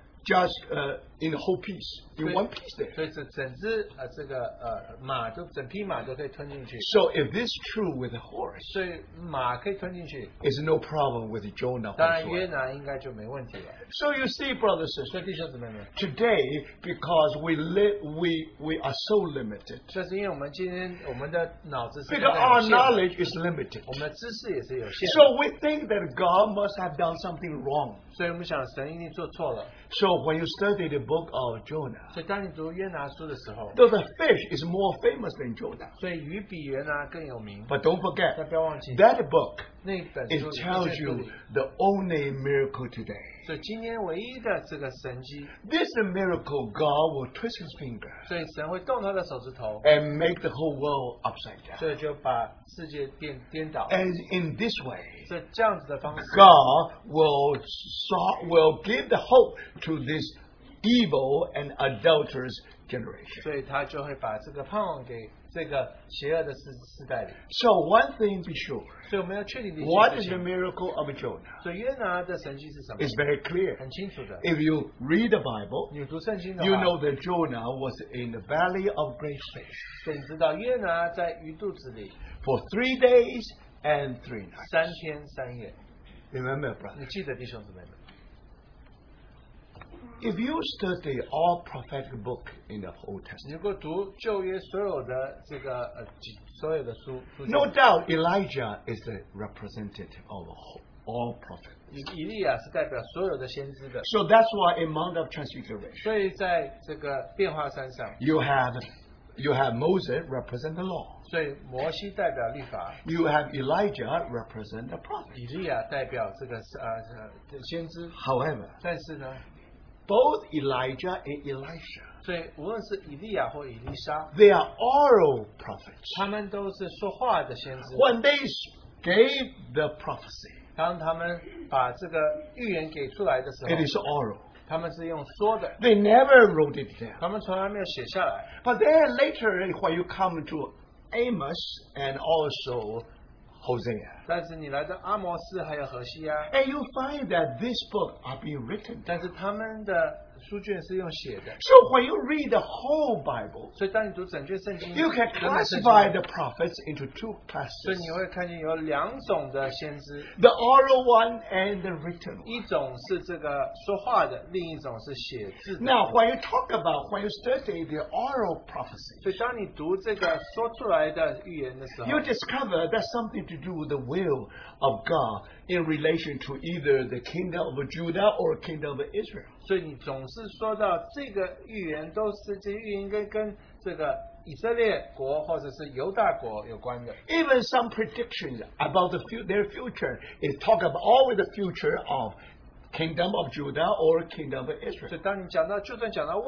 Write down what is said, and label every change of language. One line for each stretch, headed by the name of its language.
English: Just in the whole piece, in one piece there.
Chinese: 所以整只马都整匹马都可以吞进去。
English: So if this is true with a horse,
Chinese: 所以马可以吞进去,
English: it's no problem with Jonah.
Chinese: 当然约拿应该就没问题了。
English: So you see, brothers and sisters,
Chinese: 弟兄姊妹们,
English: today because we are so limited.
Chinese: 这是因为我们今天我们的脑子是有限的。
English: Because our knowledge is limited.
Chinese: 我们的知识也是有限的。
English: So we think that God must have done something wrong.
Chinese: 所以我们想神一定做错了。
English: So when you study the book of Jonah.
Chinese: 所以当你读约拿书的时候,
English: though the fish is more famous than Jonah.
Chinese: 所以鱼比约拿更有名,
English: but don't forget,
Chinese: 但不要忘记,
English: that book,
Chinese: 那本书,
English: it tells you the only miracle today.
Chinese: 所以今天唯一的这个神迹,
English: this miracle, God will twist his finger.
Chinese: 所以神会动他的手指头,
English: and make the whole world upside down.
Chinese: 所以就把世界颠倒,
English: and in this way,
Chinese: 所以这样子的方式,
English: God will give the hope to this evil and adulterous generation.
Chinese: 所以他就会把这个盼望给这个邪恶的世代里。
English: So one thing be sure.
Chinese: 所以我们要确定的一件事情,
English: what is the miracle of Jonah?
Chinese: 所以约拿的神迹是什么?
English: It's very clear.
Chinese: 很清楚的。
English: If you read the Bible,
Chinese: 你读圣经的话,
English: you know that Jonah was in the belly of great fish.
Chinese: 所以你知道约拿在鱼肚子里,
English: for 3 days and 3 nights.
Chinese: 3天3夜。
English: Remember, brother.
Chinese: 你记得弟兄姊妹们。
English: If you study all prophetic book in the Old Testament,
Chinese: 所有的书,
English: no doubt Elijah is the representative of all prophets. So that's why in Mount of Transfiguration, you have Moses represent the law.
Chinese: 所以摩西代表律法,
English: you have Elijah represent the prophet.
Chinese: 以利亚代表这个先知,
English: however,
Chinese: 但是呢,
English: both Elijah and Elisha,
Chinese: 所以无论是以利亚或以利沙,
English: they are oral prophets.
Chinese: 他们都是说话的先知,
English: when they gave the prophecy,
Chinese: 当他们把这个预言给出来的时候,
English: it is oral.
Chinese: 他们是用说的,
English: they never wrote it down.
Chinese: 他们从来没有写下来,
English: but then later, when you come to Amos and also Hosea,
Chinese: 但是你来到阿摩斯还有何西啊,
English: and you find that this book are being written.
Chinese: 但是他们的书卷是用写的,
English: so when you read the whole Bible,
Chinese: 所以当你读整卷圣经,
English: you can classify the prophets into two classes.
Chinese: 所以你会看见有两种的先知,
English: the oral one and the written one.
Chinese: 一种是这个说话的, 另一种是写字的。
English: Now when you talk about, when you study the oral prophecy,
Chinese: 所以当你读这个说出来的预言的时候,
English: you discover that something to do with the will of God in relation to either the kingdom of Judah or kingdom of Israel.
Chinese: 所以你总是说到这个预言都是这预言跟这个以色列国或者是犹大国有关的。
English: Even some predictions about their future is talk about always the future of kingdom of Judah or kingdom of Israel.